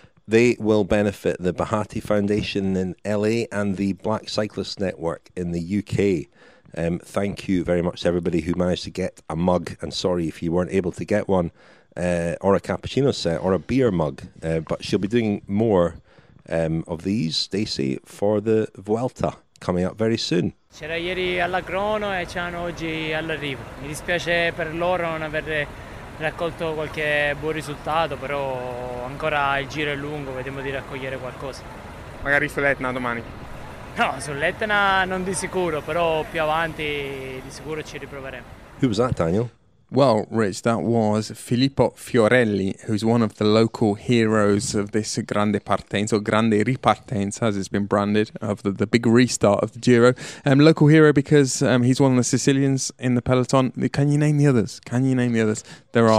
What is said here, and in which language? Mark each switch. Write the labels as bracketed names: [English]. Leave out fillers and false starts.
[English] They will benefit the Bahati Foundation in LA and the Black Cyclist Network in the UK. Thank you very much to everybody who managed to get a mug. And sorry if you weren't able to get one, or a cappuccino set, or a beer mug. But she'll be doing more of these, Stacey, for the Vuelta coming up very soon. [Italian] C'era ieri alla Crono e c'hanno oggi all'arrivo. Mi dispiace per loro non aver raccolto qualche buon risultato, però ancora il giro è lungo, vediamo di raccogliere qualcosa. Magari sull'Etna domani? No, sull'Etna non di sicuro, però più avanti di sicuro ci riproveremo. [English] Who was that, Daniel? Well, Rich, that was Filippo Fiorelli, who's one of the local heroes of this Grande Partenza, or Grande Ripartenza, as it's been branded, of the big restart of the Giro. Local hero because he's one of the Sicilians in the peloton. Can you name the others? There are,